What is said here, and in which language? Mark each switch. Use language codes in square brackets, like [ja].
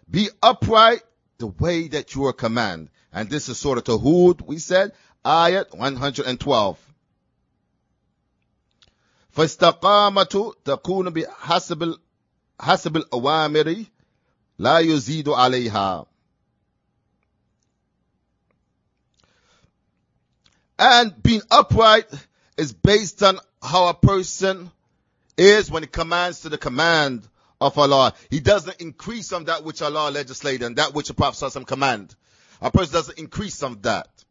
[en] Be upright the way that you are commanded. And this is Surah Hud, we said, Ayat 112. [ar] فاستقامة تكون بحسب حسب الأوامر لا يزيد عليها. [en] And being upright is based on how a person is when he commands to the command of Allah. He doesn't increase on that which Allah legislated and that which the Prophet ﷺ command. A person doesn't increase on that.